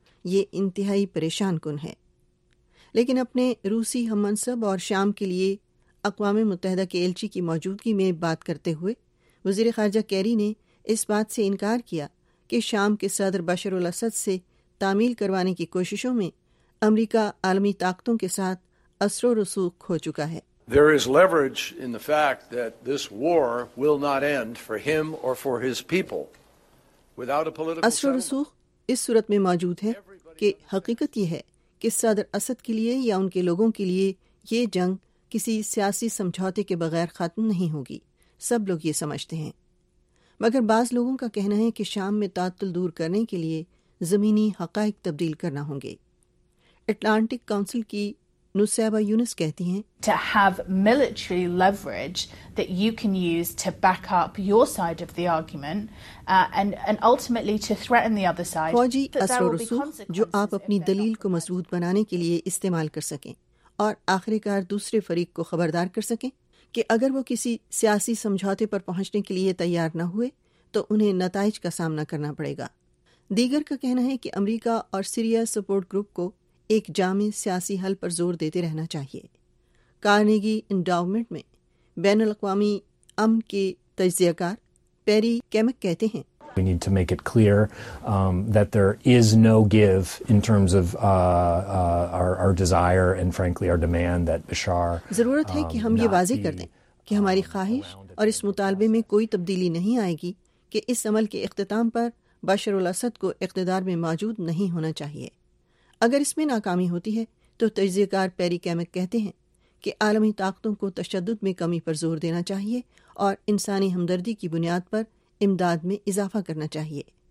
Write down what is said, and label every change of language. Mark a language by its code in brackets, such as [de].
[ur] یہ انتہائی پریشان کن ہے. لیکن اپنے روسی ہم منصب اور شام کے لیے اقوام متحدہ کے ایلچی کی موجودگی میں بات کرتے ہوئے وزیر خارجہ کیری نے اس بات سے انکار کیا کہ شام کے صدر بشار الاسد سے تعمیل کروانے کی کوششوں میں امریکہ عالمی طاقتوں کے ساتھ اثر و رسوخ کھو چکا ہے. [en] There is leverage in the fact that this war will not end for him or for his people without a political [ur] اثر و رسوخ اس صورت میں موجود ہے کہ حقیقت یہ ہے کہ صدر اسد کے لیے یا ان کے لوگوں کے لیے یہ جنگ کسی سیاسی سمجھوتے کے بغیر ختم نہیں ہوگی. سب لوگ یہ سمجھتے ہیں. مگر بعض لوگوں کا کہنا ہے کہ شام میں تعطل دور کرنے کے لیے زمینی حقائق تبدیل کرنا ہوں گے. اٹلانٹک کونسل کی نصیبہ یونس کہتی ہیں [en] To have military leverage that you can use to back up your side of the argument and ultimately to threaten the other side. [ur] فوجی اثر و رسوخ جو آپ اپنی دلیل کو مضبوط بنانے کے لیے استعمال کر سکیں اور آخری کار دوسرے فریق کو خبردار کر سکیں کہ اگر وہ کسی سیاسی سمجھوتے پر پہنچنے کے لیے تیار نہ ہوئے تو انہیں نتائج کا سامنا کرنا پڑے گا. دیگر کا کہنا ہے کہ امریکہ اور سیریا سپورٹ گروپ کو ایک جامع سیاسی حل پر زور دیتے رہنا چاہیے. کارنگی انڈاؤمنٹ میں بین الاقوامی امن کے تجزیہ کار پیری کیمک کہتے ہیں [en] We need to make it clear that there is no give in terms of our desire and frankly our demand that Bashar [ur] ضرورت ہے کہ ہم یہ واضح کر دیں کہ ہماری خواہش اور اس مطالبے میں کوئی تبدیلی نہیں آئے گی کہ اس عمل کے اختتام پر بشار الاسد کو اقتدار میں موجود نہیں ہونا چاہیے. اگر اس میں ناکامی ہوتی ہے تو تجزیہ کار پیری کیمک کہتے ہیں کہ عالمی طاقتوں کو تشدد میں کمی پر زور دینا چاہیے اور انسانی ہمدردی کی بنیاد پر امداد میں اضافہ کرنا چاہیے.